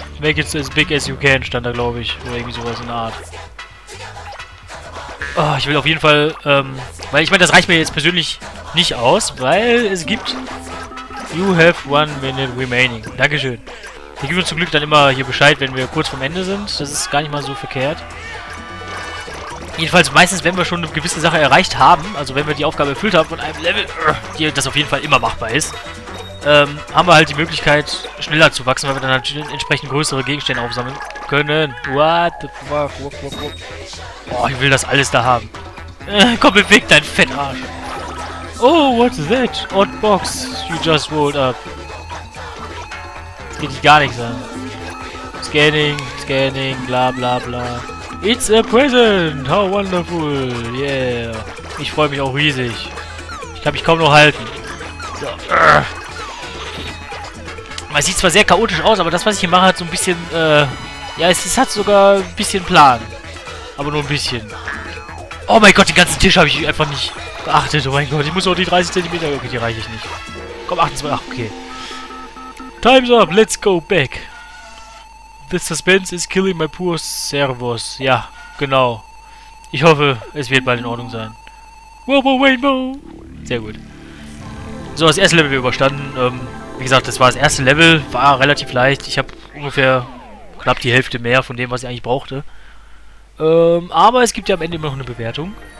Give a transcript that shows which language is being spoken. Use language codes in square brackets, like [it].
[en] Make it as big as you can, [de] stand da, glaube ich. Oder irgendwie sowas in der Art. Oh, ich will auf jeden Fall, weil ich meine, das reicht mir jetzt persönlich nicht aus, weil es gibt... [en] You have 1 minute remaining. [de] Dankeschön. Die geben uns zum Glück dann immer hier Bescheid, wenn wir kurz vom Ende sind. Das ist gar nicht mal so verkehrt. Jedenfalls meistens, wenn wir schon eine gewisse Sache erreicht haben, also wenn wir die Aufgabe erfüllt haben von einem Level, die das auf jeden Fall immer machbar ist, haben wir halt die Möglichkeit, schneller zu wachsen, weil wir dann natürlich entsprechend größere Gegenstände aufsammeln können. [en] What the fuck? [de] Wuff, wuff, wuff. Boah, ich will das alles da haben. Komm, beweg dein Fettarsch. [en] Oh, what's that? Odd box you just rolled up. [de] Das geht dich gar nichts an. [en] Scanning, scanning, bla bla bla. It's a present! How wonderful! Yeah! [de] Ich freue mich auch riesig. Ich kann mich kaum noch halten. So. Es sieht zwar sehr chaotisch aus, aber das, was ich hier mache, hat so ein bisschen, ja, es hat sogar ein bisschen Plan. Aber nur ein bisschen. Oh mein Gott, den ganzen Tisch habe ich einfach nicht geachtet. Oh mein Gott, ich muss auch die 30 cm... Okay, die reiche ich nicht. Komm, 28... Ach, okay. [en] Time's up, let's go back. The suspense is killing my poor servos. [de] Ja, genau. Ich hoffe, es wird bald in Ordnung sein. [en] Whoa, whoa, wait, whoa. [de] Sehr gut. So, das erste Level wir überstanden. Wie gesagt, das war das erste Level. War relativ leicht. Ich habe ungefähr knapp die Hälfte mehr von dem, was ich eigentlich brauchte. Aber es gibt ja am Ende immer noch eine Bewertung.